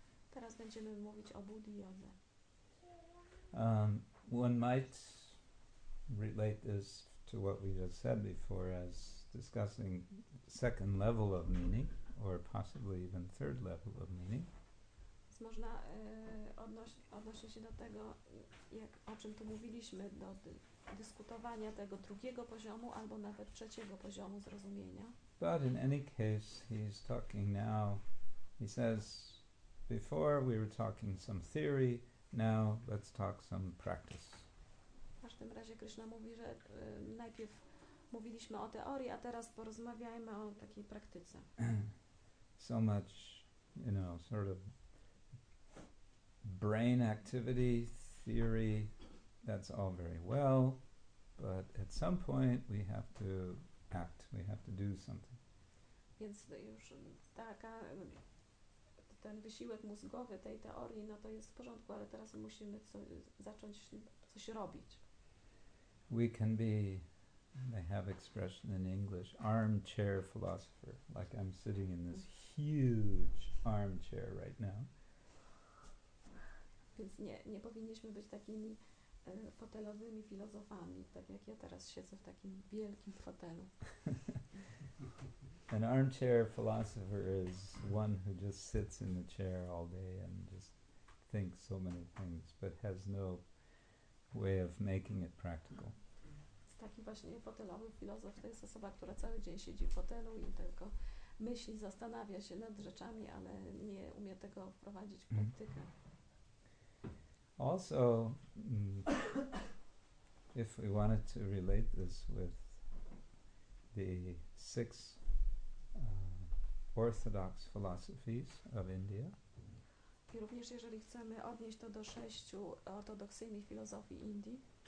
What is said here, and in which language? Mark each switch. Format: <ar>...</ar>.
<pl>Teraz będziemy mówić o Buddhi Yodze.</pl> <en>One might relate this to what we just said before as discussing second level of meaning, or possibly even third level of meaning.</en> <pl>Można odnosić się do tego, jak, o czym tu mówiliśmy, do dyskutowania tego drugiego poziomu, albo nawet trzeciego poziomu zrozumienia.</pl> <en>But in any case, he's talking now, he says, before we were talking some theory, now let's talk some practice.</en> <pl>W każdym razie Krishna mówi, że najpierw mówiliśmy o teorii, a teraz porozmawiajmy o takiej praktyce.</pl> <en>So much, you know, sort of brain activity theory, that's all very well, but at some point we have to act, we have to do something.</en> <pl>Więc już taka, ten wysiłek mózgowy tej teorii, no to jest w porządku, ale teraz musimy zacząć coś robić.</pl> <en>We can be, they have expression in English, armchair philosopher, like I'm sitting in this huge armchair right now.</en> <pl>Więc nie powinniśmy być takimi fotelowymi filozofami, tak jak ja teraz siedzę w takim wielkim fotelu.</pl> <en>An armchair philosopher is one who just sits in the chair all day and just thinks so many things, but has no way of making it practical.</en> <pl>Taki właśnie fotelowy filozof to jest osoba, która cały dzień siedzi w fotelu i tylko myśli, zastanawia się nad rzeczami, ale nie umie tego wprowadzić w praktykę.</pl> <en>Also, if we wanted to relate this with the six orthodox philosophies of India.</en> <pl>I również jeżeli chcemy odnieść to do sześciu ortodoksyjnych filozofii Indii.</pl>